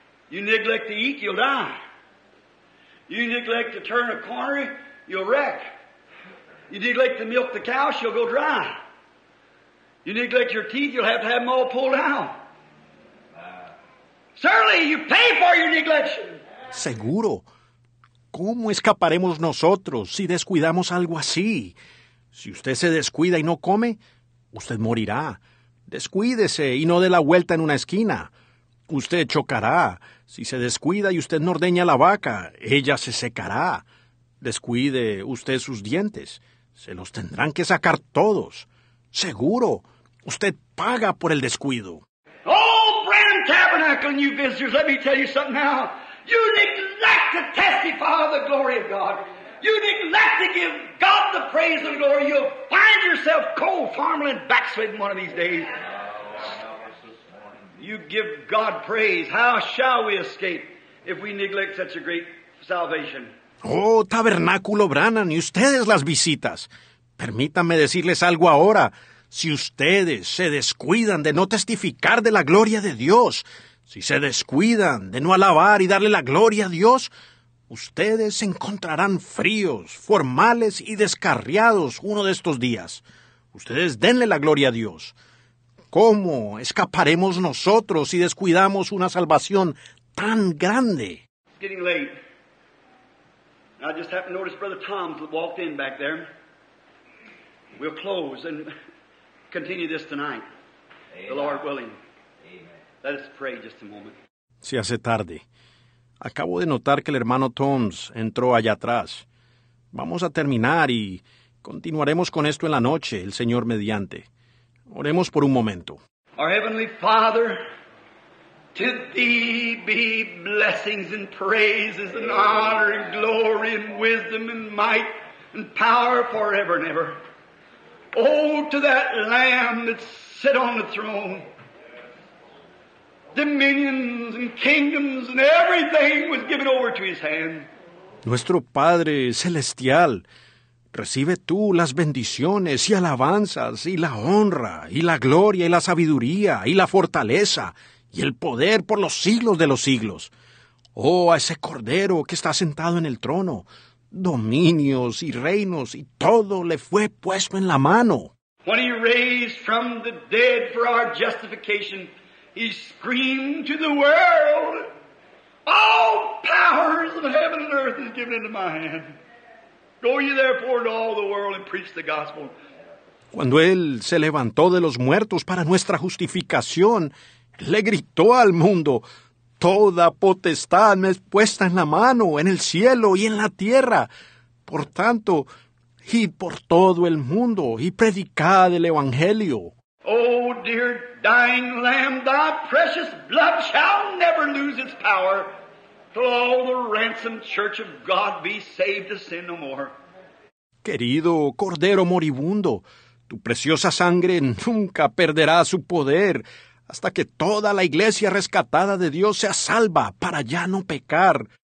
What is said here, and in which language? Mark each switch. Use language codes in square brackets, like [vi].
[en] You neglect to eat, you'll die. You neglect to turn a corner, you'll wreck. You neglect to milk the cow, she'll go dry. You neglect your teeth, you'll have to have them all pulled out. Surely you pay for your neglect. [es] Seguro. ¿Cómo escaparemos nosotros si descuidamos algo así? Si usted se descuida y no come, usted morirá. Descuídese y no dé la vuelta en una esquina. Usted chocará. Si se descuida y usted no ordeña la vaca, ella se secará. Descuide usted sus dientes. Se los tendrán que sacar todos. Seguro, usted paga por el descuido. [en] Oh, Brand Tabernacle, new visitors, let me tell you something now. You neglect to testify of the glory of God. You neglect to give God the praise and glory. You'll find yourself cold, farmland, backslidden one of these days. You give God praise. How shall we escape if we neglect such a great salvation? [es] Oh, Tabernáculo Branham, y ustedes las visitas. Permítanme decirles algo ahora. Si ustedes se descuidan de no testificar de la gloria de Dios, si se descuidan de no alabar y darle la gloria a Dios, ustedes se encontrarán fríos, formales y descarriados uno de estos días. Ustedes denle la gloria a Dios. ¿Cómo escaparemos nosotros si descuidamos una salvación tan grande? [en] It's getting late. I just happened to notice Brother Tom walked in back there. We'll close and continue this tonight. The Lord willing. Let us pray just a moment. [es] Se hace tarde. Acabo de notar que el hermano Toms entró allá atrás. Vamos a terminar y continuaremos con esto en la noche, el Señor mediante. Oremos por un momento. [en] Our Heavenly Father, to Thee be blessings and praises and honor and glory and wisdom and might and power forever and ever. Oh, to that Lamb that sit on the throne. Dominions and kingdoms and everything was given over to His hand. [es] Nuestro Padre Celestial, recibe tú las bendiciones y alabanzas y la honra y la gloria y la sabiduría y la fortaleza y el poder por los siglos de los siglos. Oh, a ese Cordero que está sentado en el trono, dominios y reinos y todo le fue puesto en la mano. [en] When He raised from the dead for our justification, He screamed to the world, all powers of heaven and earth is given into my hand. Go ye therefore into all the world and preach the gospel. [es] Cuando Él se levantó de los muertos para nuestra justificación, le gritó al mundo, toda potestad me es puesta en la mano, en el cielo y en la tierra. Por tanto, id por todo el mundo y predicad el evangelio. [en] Oh, dear dying Lamb, thy precious blood shall never lose its power till all the ransomed church of God be saved to sin no more. [es] Querido Cordero moribundo, tu preciosa sangre nunca perderá su poder hasta que toda la iglesia rescatada de Dios sea salva para ya no pecar.